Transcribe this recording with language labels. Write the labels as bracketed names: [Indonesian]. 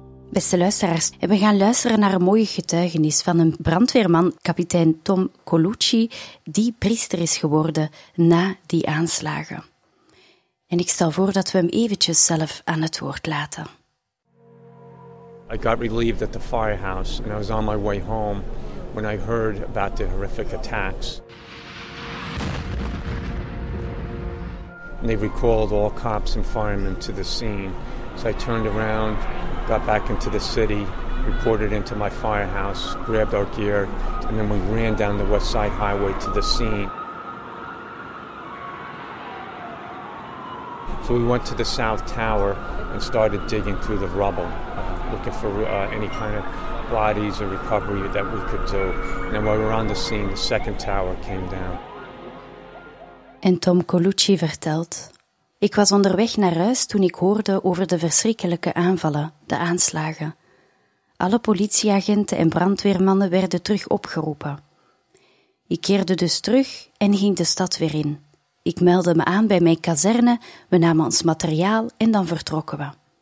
[Dutch] Beste luisteraars, we gaan luisteren naar een mooie getuigenis van een brandweerman, kapitein Tom Colucci, die priester is geworden na die aanslagen. En ik stel voor dat we hem eventjes zelf aan het woord laten. [English] I got relieved at the firehouse and I was on my way home when I heard about the horrific attacks. And they recalled all cops and firemen to the scene. So I turned around, got back into the city, reported into my firehouse, grabbed our gear, and then we ran down the West Side Highway to the scene. So we went to the South Tower and started digging through the rubble, looking for any kind of bodies or recovery that we could do. And then while we were on the scene, the second tower came down. [Dutch] En Tom Colucci vertelt: ik was onderweg naar huis toen ik hoorde over de verschrikkelijke aanvallen, de aanslagen. Alle politieagenten en brandweermannen werden terug opgeroepen. Ik keerde dus terug en ging de stad weer in. Ik meldde me aan bij mijn kazerne, we namen ons materiaal en dan vertrokken we.